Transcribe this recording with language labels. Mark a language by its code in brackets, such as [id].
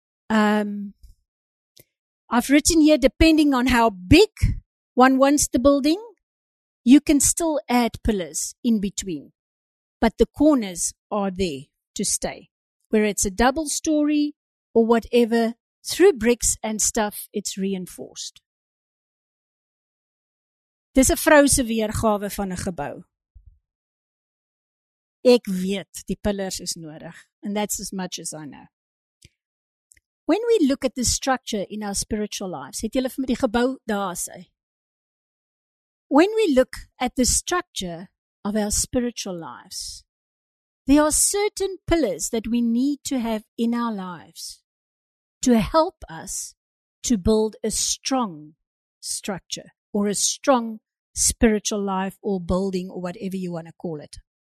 [en] I've written here, depending on how big one wants the building, you can still add pillars in between, but the corners are there to stay. Where it's a double story or whatever, through bricks and stuff, it's reinforced. [af] Dis 'n vrouse weergawe van 'n gebou. Ek weet, die pillars is nodig, [en] and that's as much as I know. When we look at the structure in our spiritual lives, [af] het julle vir my die gebou daar sê? [en] When we look at the structure of our spiritual lives, there are certain pillars that we need to have in our lives to help us to build a strong structure or a strong spiritual life or building or whatever you want to call it.